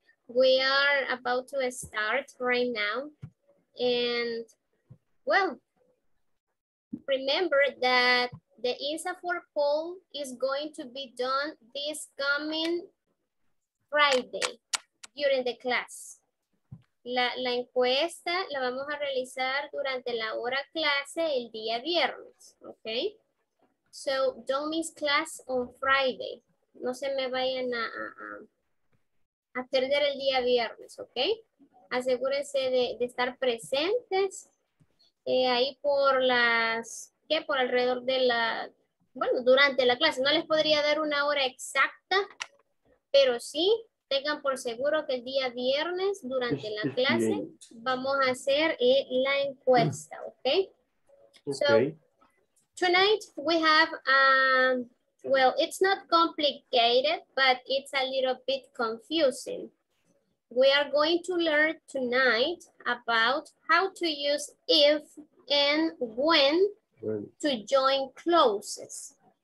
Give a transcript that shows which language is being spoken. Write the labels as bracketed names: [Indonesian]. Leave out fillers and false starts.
[English] We are about to start right now. And well, remember that the INSAFORP poll is going to be done this coming Friday during the class. [Spanish] La encuesta la vamos a realizar durante la hora clase el día viernes, okay? [English] So don't miss class on Friday. [Spanish] No se me vayan a perder el día viernes, okay? Asegúrense de estar presentes. Ahí por las, ¿qué? Por alrededor de la, bueno, durante la clase. No les podría dar una hora exacta, pero sí, tengan por seguro que el día viernes, durante la clase, vamos a hacer la encuesta, okay? [English] Okay. So, tonight we have, well, it's not complicated, but it's a little bit confusing. We are going to learn tonight about how to use if and when to join clauses.